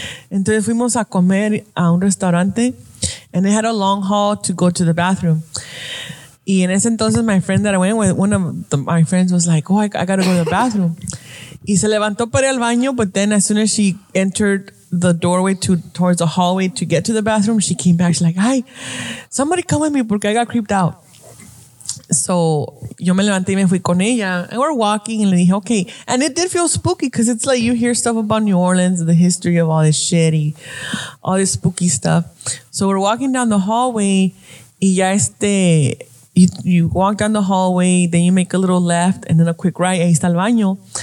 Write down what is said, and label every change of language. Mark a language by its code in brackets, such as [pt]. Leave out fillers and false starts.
[es] Entonces fuimos a comer a un restaurante [en] and they had a long hall to go to the bathroom. [es] Y en ese entonces [en] my friend that I went with, one of my friends was like, oh, I gotta go to the bathroom. [es] Y se levantó para ir al baño, [en] but then as soon as she entered the doorway towards the hallway to get to the bathroom, she came back. She's like, ay, somebody come with me porque I got creeped out. [es] So, yo me levanté y me fui con ella. [en] And we're walking and [es] le dije, [en] okay. And it did feel spooky because it's like you hear stuff about New Orleans, the history of all this shitty, all this spooky stuff. So, we're walking down the hallway y ya este, you walk down the hallway, then you make a little left and then a quick right. [es] Ahí está el baño.